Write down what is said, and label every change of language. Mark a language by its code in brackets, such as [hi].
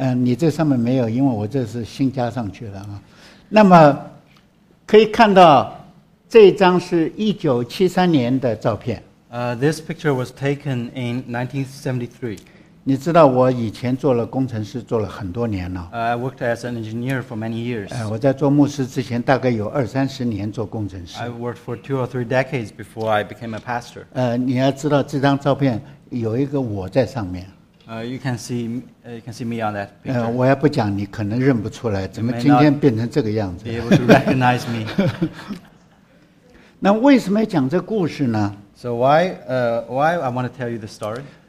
[zh] 你这上面没有，因为我这是新加上去的啊。那么，可以看到这张是1973年的照片。 [en] This picture was taken in 1973. [zh] 你知道我以前做了工程师，做了很多年了。 [en] I worked as an engineer for many years. [zh] 我在做牧师之前大概有二三十年做工程师。 [en] I worked for two or three decades before I became a pastor. [zh] 你要知道这张照片有一个我在上面。 [en] You can see me on that picture. [zh] 我要不讲你可能认不出来，怎么今天变成这个样子 [en] ？You may not be able to recognize me. [zh] 那为什么要讲这故事呢？ [en] So why I want to tell you the story?